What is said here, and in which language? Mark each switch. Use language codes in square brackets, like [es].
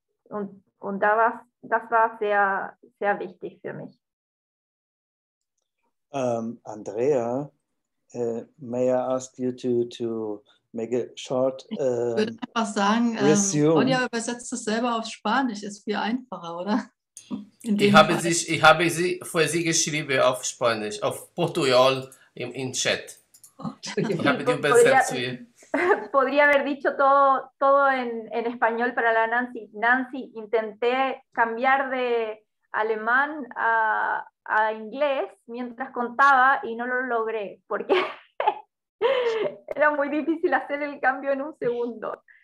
[de] Und da war, das war sehr, sehr wichtig für mich. [en] Andrea, may I ask you to make a short resume? [de] Ich würde einfach sagen, Sonja übersetzt es selber auf Spanisch, ist viel einfacher, oder? Ich habe sie für sie geschrieben auf Spanisch, auf Portugal im Chat. Ich habe die übersetzt für sie. [es] Podría haber dicho todo en español para la Nancy. Nancy, intenté cambiar de alemán a inglés mientras contaba y no lo logré porque era muy difícil hacer el cambio en un segundo.